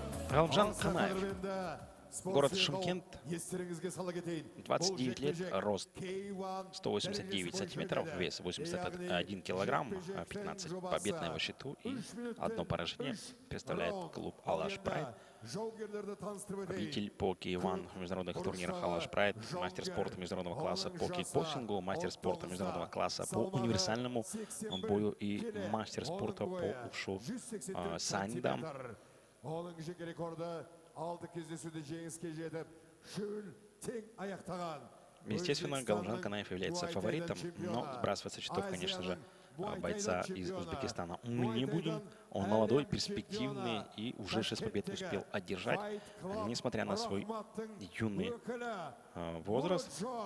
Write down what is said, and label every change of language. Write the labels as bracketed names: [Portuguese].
[Russian] Галымжан Канаев, город Шымкент, 29 лет, рост 189 сантиметров, вес 81 килограмм, 15 побед на его счету и одно поражение представляет клуб Алаш Прайд. Победитель по кей-1 в международных турнирах Алаш Прайд, мастер спорта международного класса по кикбоксингу, мастер спорта международного класса по универсальному бою и мастер спорта по ушу санда. [Kazakh] Оның жеке рекорды 6 кездесуде жеңіске жетіп, шүл тең аяқтаған. [Russian] Естественно, Галымжан Канаев является фаворитом, но сбрасывать со счетов, конечно же, бойца из Узбекистана мы не будем. Он молодой, перспективный и уже 6 побед успел одержать, несмотря на свой юный возраст.